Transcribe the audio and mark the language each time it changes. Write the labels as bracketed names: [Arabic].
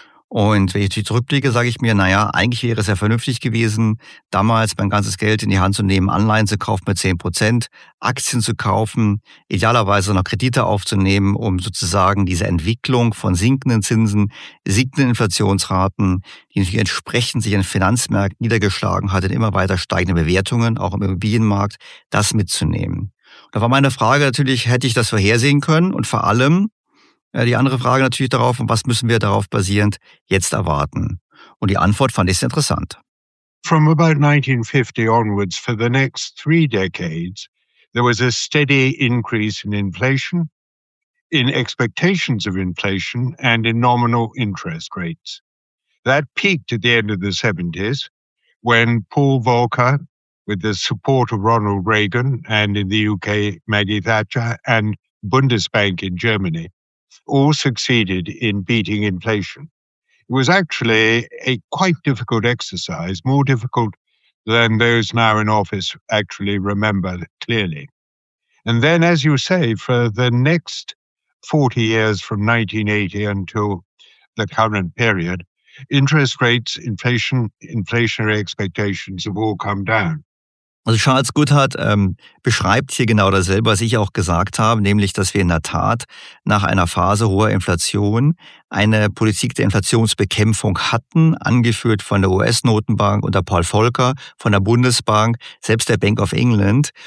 [German] Und wenn ich zurückblicke, sage ich mir, naja, eigentlich wäre es ja vernünftig gewesen, damals mein ganzes Geld in die Hand zu nehmen, Anleihen zu kaufen mit 10%, Aktien zu kaufen, idealerweise noch Kredite aufzunehmen, um sozusagen diese Entwicklung von sinkenden Zinsen, sinkenden Inflationsraten, die natürlich entsprechend sich in den Finanzmärkten niedergeschlagen hat, in immer weiter steigende Bewertungen, auch im Immobilienmarkt, das mitzunehmen. Und da war meine Frage natürlich, hätte ich das vorhersehen können und vor allem, die andere Frage natürlich darauf, was müssen wir darauf basierend jetzt erwarten? Und die Antwort fand ich sehr interessant. [English] From about 1950 onwards, for the next 3 decades, there was a steady increase in inflation, in expectations of inflation and in nominal interest rates. That peaked at the end of the 70s, when Paul Volcker, with the support of Ronald Reagan and in the UK, Maggie Thatcher and Bundesbank in Germany, all succeeded in beating inflation. It was actually a quite difficult exercise, more difficult than those now in office actually remember clearly. And then, as you say, for the next 40 years from 1980 until the current period, interest rates, inflation, inflationary expectations have all come down. [German] Also Charles Goodhart beschreibt hier genau dasselbe, was ich auch gesagt habe, nämlich, dass wir in der Tat nach einer Phase hoher Inflation eine Politik der Inflationsbekämpfung hatten, angeführt von der US-Notenbank unter Paul Volcker, von der Bundesbank, selbst der Bank of England.